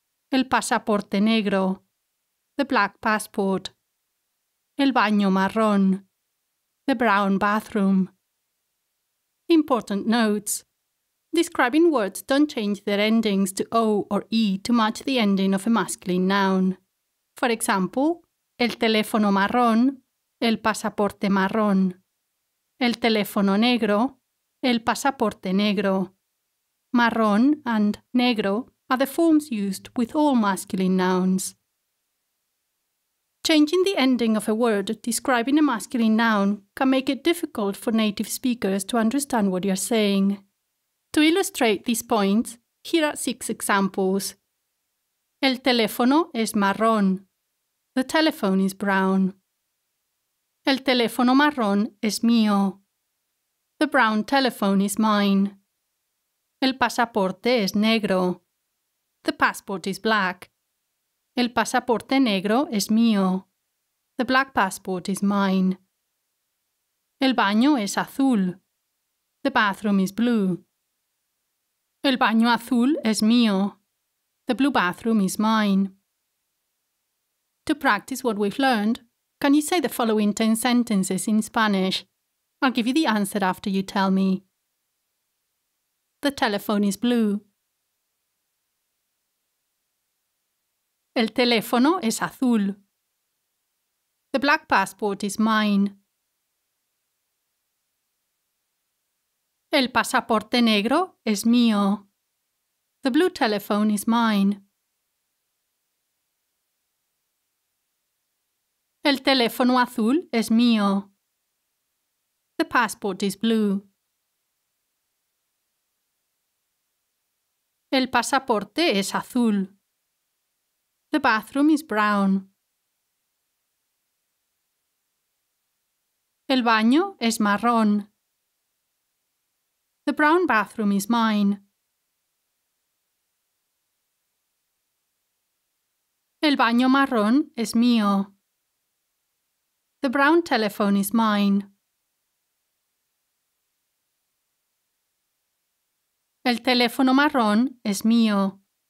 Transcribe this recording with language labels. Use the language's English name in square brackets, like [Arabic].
[Spanish] El pasaporte negro, [English] the black passport. [Spanish] El baño marrón, [English] the brown bathroom. Important notes. Describing words don't change their endings to O or E to match the ending of a masculine noun. For example, [Spanish] el teléfono marrón, el pasaporte marrón. El teléfono negro, el pasaporte negro. [English] Marrón and negro are the forms used with all masculine nouns. Changing the ending of a word describing a masculine noun can make it difficult for native speakers to understand what you're saying. To illustrate these points, here are six examples. [Spanish] El teléfono es marrón. [English] The telephone is brown. [Spanish] El teléfono marrón es mío. [English] The brown telephone is mine. [Spanish] El pasaporte es negro. [English] The passport is black. [Spanish] El pasaporte negro es mío. [English] The black passport is mine. [Spanish] El baño es azul. [English] The bathroom is blue. [Spanish] El baño azul es mío. [English] The blue bathroom is mine. To practice what we've learned, can you say the following 10 sentences in Spanish? I'll give you the answer after you tell me. The telephone is blue. [Spanish] El teléfono es azul. [English] The black passport is mine. [Spanish] El pasaporte negro es mío. [English] The blue telephone is mine. [Spanish] El teléfono azul es mío. [English] The passport is blue. [Spanish] El pasaporte es azul. [English] The bathroom is brown. [Spanish] El baño es marrón. [English] The brown bathroom is mine. [Spanish] El baño marrón es mío. [English] The brown telephone is mine. [Spanish] El teléfono marrón es mío.